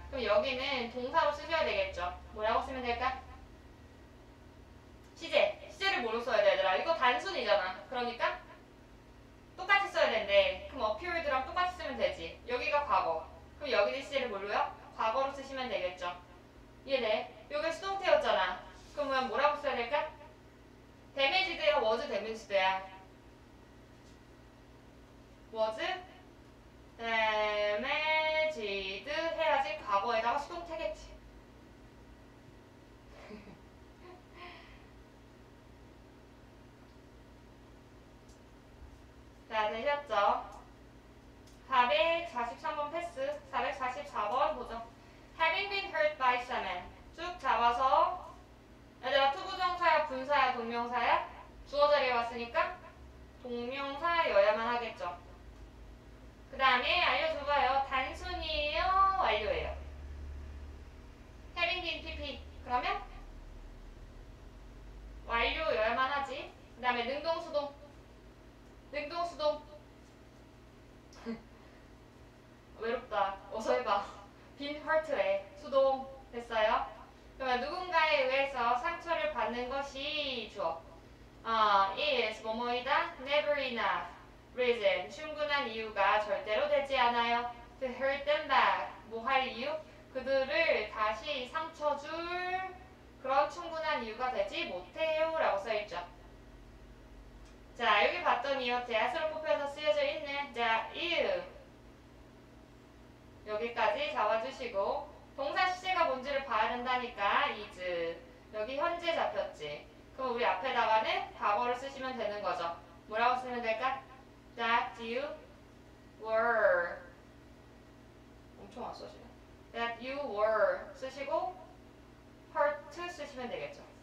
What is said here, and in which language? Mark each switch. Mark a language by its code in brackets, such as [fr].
[ko] 그럼 여기는 동사로 쓰셔야 되겠죠. 뭐라고 쓰면 될까? 시제. 시제를 뭐로 써야 돼, 얘들아? 이거 단순이잖아. 그러니까 똑같이 써야 된대. 그럼 appeared랑 똑같이 쓰면 되지. 여기가 과거. 그럼 여기는 시제를 뭘로요? 과거로 쓰시면 되겠죠. 얘네, 요게 수동태였잖아. 그러면 뭐라고 써야 될까? [en] damaged야, was damaged야. [ko] was damaged 해야지 과거에다가 수동태겠지. 자, 되셨죠? 443번 패스, 444번 보죠. [en] Having been hurt by someone. [ko] 쭉 잡아서, 얘들아, to 부정사야, 분사야, 동명사야? 주어 자리에 왔으니까, 동명사여야만 하겠죠. 그 다음에, 알려줘봐요. 단순이에요, 완료예요. Having been PP. 그러면, 완료여야만 하지. 그 다음에, 능동수동. 능동수동. 외롭다. 어서 해봐. 빈 허트에 수동 됐어요. 그러면 누군가에 의해서 상처를 받는 것이 주어. [en] is 뭐뭐이다 never enough. [ko] reason 충분한 이유가 절대로 되지 않아요. [en] to hurt them back 뭐할 이유? [ko] 그들을 다시 상처 줄 그런 충분한 이유가 되지 못해요 라고 써있죠. 자, 여기 봤더니요. 대화처럼 뽑혀서 쓰여져 있는 자, you 여기까지 잡아주시고 동사 시제가 뭔지를 봐야 된다니까 is 여기 현재 잡혔지. 그럼 우리 앞에다가는 과거를 쓰시면 되는 거죠. 뭐라고 쓰면 될까? That you were 엄청 안 써지네. That you were 쓰시고 hurt 쓰시면 되겠죠.